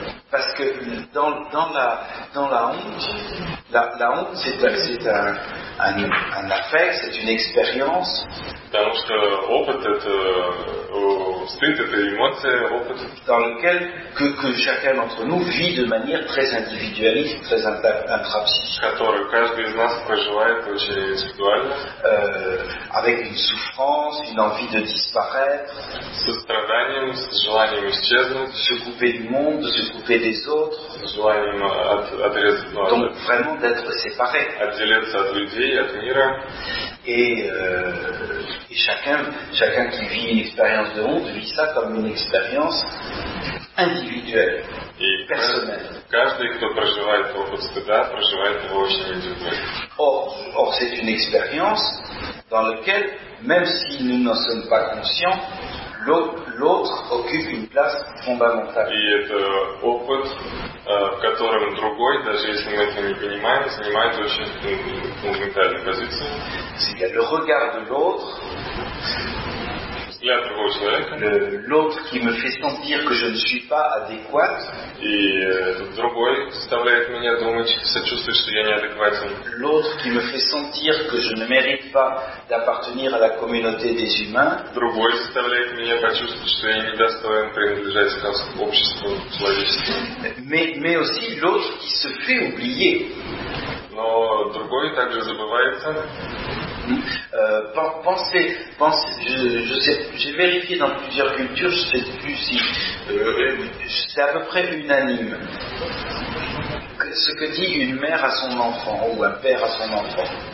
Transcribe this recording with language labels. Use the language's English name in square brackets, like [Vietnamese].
[French] Parce que dans la honte, la honte c'est un affect, c'est une expérience. [Russian] Потому что опыт это стыд, это эмоция, опыт. [French] Dans lequel que chacun d'entre nous vit de manière très individualiste, très intrapsychique. [Russian] Который каждый из нас проживает очень индивидуально. [French] Avec une souffrance, une envie de disparaître. [Russian] Со страданием, с желанием исчезнуть. [French] Se couper du monde, se couper des autres. [Russian] С желанием отрезать. [French] Ну, donc vraiment d'être séparé. [Russian] Отделиться от людей, от мира. [French] Et chacun qui vit une expérience de honte vit ça comme une expérience individuelle et personnelle. [Russian] Каждый, кто проживает опыт стыда, проживает его очень индивидуально. [French] Or, c'est une expérience dans laquelle, même si nous n'en sommes pas conscients, l'autre occupe une place fondamentale. [Russian] И это опыт, в котором другой, даже если мы этого не понимаем, занимает очень фундаментальную позицию. [French] C'est-à-dire le regard de l'autre. [Russian] Взгляд другого человека. [French] L'autre qui me fait sentir que je ne suis pas adéquat. [Russian] И другой заставляет меня думать, сочувствовать, что я неадекватен. [French] L'autre qui me fait sentir que je ne mérite pas d'appartenir à la communauté des humains. [Russian] Другой заставляет меня почувствовать, что я недостоин принадлежать к обществу человечества. [French] Mais aussi l'autre qui se fait oublier. [Russian] Но другой также забывается. [French] J'ai vérifié dans plusieurs cultures, je sais plus si c'est à peu près unanime ce que dit une mère à son enfant ou un père à son enfant.